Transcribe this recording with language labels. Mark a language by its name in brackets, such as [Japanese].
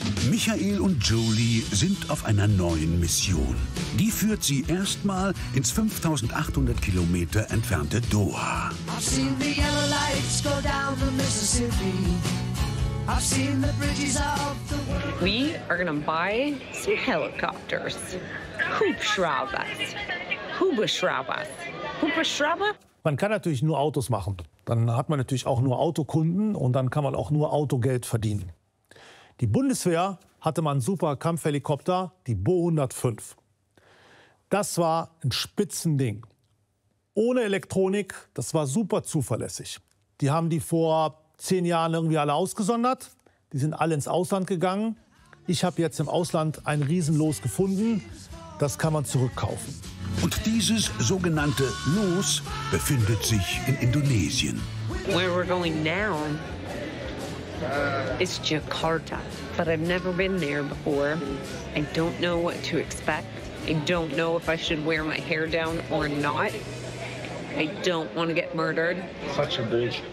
[German] Michael und Jolie sind auf einer neuen Mission. Die führt sie erstmal ins 5800 Kilometer entfernte Doha. [English] I've seen the yellow lights go down the Mississippi. I've seen the bridges of the world. We are gonna buy some helicopters. [German] Hubschraubers. Hubschraubers. Hubschrauber? Man kann natürlich nur Autos machen. Dann hat man natürlich auch nur Autokunden und dann kann man auch nur Autogeld verdienen. Die Bundeswehr hatte mal einen super Kampfhelikopter, die Bo-105. Das war ein Spitzending. Ohne Elektronik, das war super zuverlässig. Die haben die vor 10 Jahren irgendwie alle ausgesondert. Die sind alle ins Ausland gegangen. Ich habe jetzt im Ausland ein Riesenlos gefunden. Das kann man zurückkaufen. Und dieses sogenannte Los befindet sich in Indonesien. [English] Where we're going now is Jakarta. But I've never been there before. I don't know what to expect. I don't know if I should wear my hair down or not. I don't want to get murdered. Such a bitch.